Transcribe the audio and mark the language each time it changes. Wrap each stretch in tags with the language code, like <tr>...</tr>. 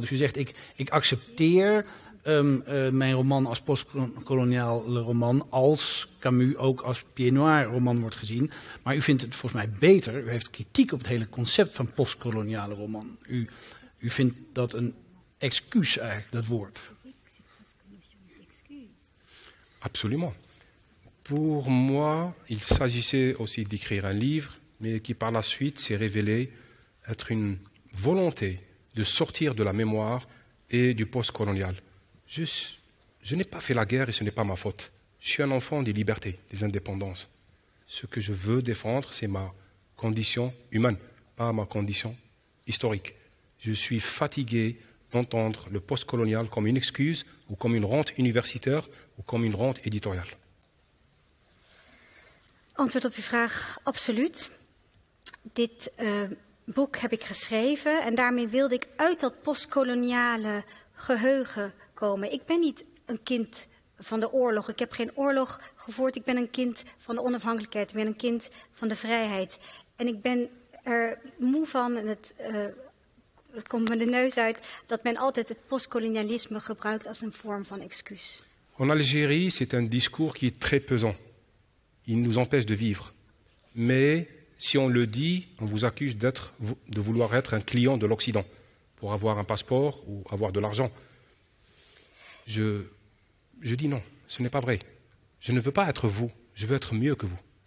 <nl>Dus u zegt, ik accepteer mijn roman als postkoloniale roman als Camus ook als pied noir roman wordt gezien. Maar u vindt het volgens mij beter. U heeft kritiek op het hele concept van postkoloniale roman. U vindt dat een excuus eigenlijk, dat woord. Absoluut.</nl> <fr>Pour moi, il s'agissait aussi d'écrire un livre, mais qui par la suite s'est révélé être une volonté de sortir de la mémoire et du post-colonial. Je n'ai pas fait la guerre et ce n'est pas ma faute. Je suis un enfant des libertés, des indépendances. Ce que je veux défendre, c'est ma condition humaine, pas ma condition historique. Je suis fatigué d'entendre le post-colonial comme une excuse ou comme une rente universitaire ou comme une rente éditoriale.</fr> <nl>Antwoord op uw vraag, absoluut. Dit boek heb ik geschreven en daarmee wilde ik uit dat postkoloniale geheugen komen. Ik ben niet een kind van de oorlog. Ik heb geen oorlog gevoerd. Ik ben een kind van de onafhankelijkheid. Ik ben een kind van de vrijheid. En ik ben er moe van, en het komt me de neus uit, dat men altijd het postkolonialisme gebruikt als een vorm van excuus.</nl> <fr>En Algérie, c'est un discours qui est très pesant. Il nous empêche de vivre. Mais si on le dit, on vous accuse de vouloir être un client de l'Occident pour avoir un passeport ou avoir de l'argent. Je dis non, ce n'est pas vrai. Je ne veux pas être vous, je veux être mieux que vous.</fr>